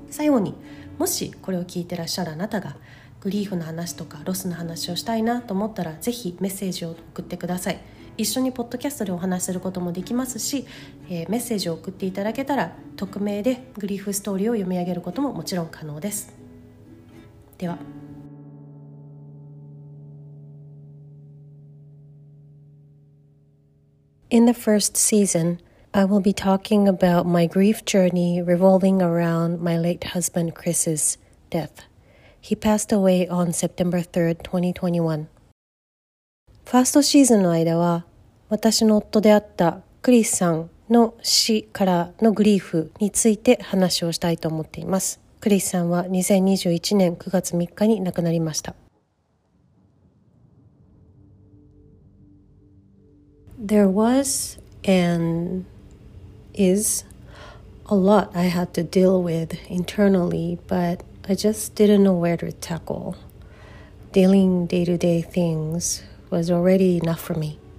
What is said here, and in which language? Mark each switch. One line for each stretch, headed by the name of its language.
Japanese: 最後に、もしこれを聞いてらっしゃるあなたがグリーフの話とかロスの話をしたいなと思ったら、ぜひメッセージを送ってください。一緒にポッドキャストでお話しすることもできますし、メッセージを送っていただけたら匿名でグリーフストーリーを読み上げることももちろん可能です。
English: では、In the first season, I will be talking about my grief journey revolving around my late husband Chris's death. He passed away on September 3rd, 2021.
Japanese: ファーストシーズンの間は、私の夫であったクリスさんの死からのグリーフについて話をしたいと思っています。クリスさんは2021年9月3日に亡くなりました。
English: There was and is a lot I had to deal with internally, but I just didn't know where to tackle. Dealing day-to-day things was already enough for me.